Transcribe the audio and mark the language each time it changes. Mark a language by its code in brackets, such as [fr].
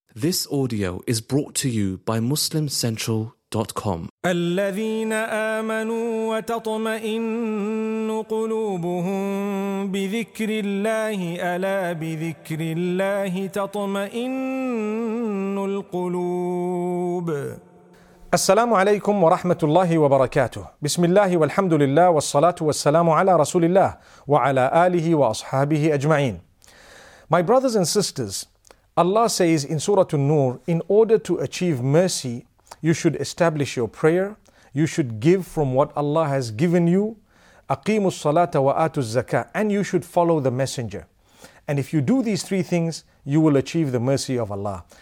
[en] This audio is brought to you by MuslimCentral.com. [ar] الذين آمنوا وتطمئن قلوبهم بذكر الله ألا بذكر الله تطمئن القلوب. السلام عليكم ورحمة الله وبركاته. بسم الله والحمد لله والصلاة والسلام على رسول الله وعلى آله وأصحابه أجمعين. [en] My brothers and sisters, Allah says in Surah An-Nur, in order to achieve mercy, you should establish your prayer, you should give from what Allah has given you, [ar] أقيموا الصلاة وآتوا الزكاة, [en] and you should follow the messenger. And if you do these three things, you will achieve the mercy of Allah.